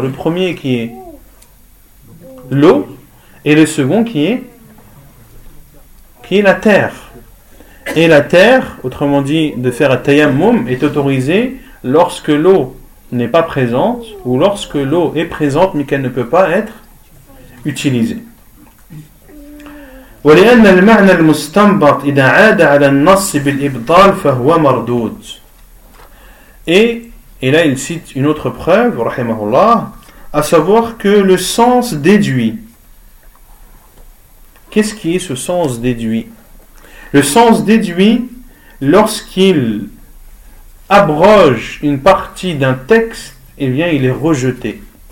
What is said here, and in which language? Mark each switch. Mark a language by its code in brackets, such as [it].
[fr] Le premier qui est l'eau, et le second qui est la terre. Et la terre, autrement dit, de faire un tayammum, est autorisée lorsque l'eau n'est pas présente, ou lorsque l'eau est présente mais qu'elle ne peut pas être utilisée. [ar] ولأن المعنى المستنبط إذا عاد على النص بالإبطال فهو مردود. [fr] Et là, il cite une autre preuve, rahimahullah, à savoir que le sens déduit. Qu'est-ce qui est ce sens déduit? Le sens déduit, lorsqu'il abroge une partie d'un texte, eh bien, il est rejeté.